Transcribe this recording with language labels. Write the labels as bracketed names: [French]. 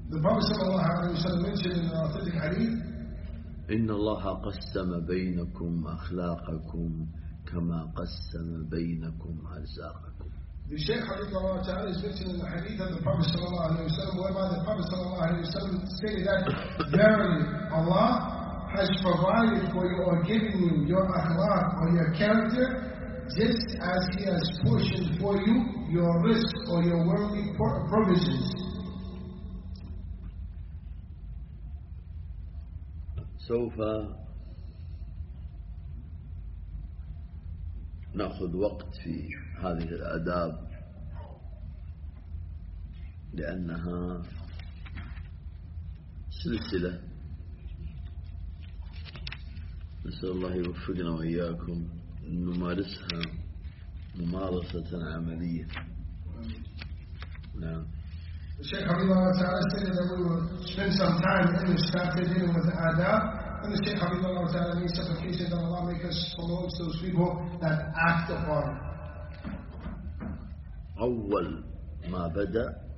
[English] The Prophet [Arabic] صلى الله عليه وسلم [English] mentioned in the authentic hadith. [Arabic] إن الله قسم بينكم أخلاقكم كما قسم بينكم أرزاقكم. [English] The Shaykh Abdullah Ta'ala is mentioned in the hadith that the Prophet [Arabic] صلى الله عليه وسلم, [English] whereby the Prophet صلى الله عليه وسلم stated that verily Allah has provided for you or given you your akhlaq or your character, just as He has portioned for you your risk or your worldly provisions. So far, [Arabic] نأخذ وقت في هذه الآداب لأنها سلسلة. نسأل الله يوفقنا وإياكم نمارسها ممارسة عملية. نعم. الشيخ عبد الله تعالى [English] said that we will spend some time in this chapter dealing with adab. And the Shaykh [Arabic] عبد الله تعالى [English] means that he said that Allah make us promote those people that act upon. [Arabic] أول ما بدأ.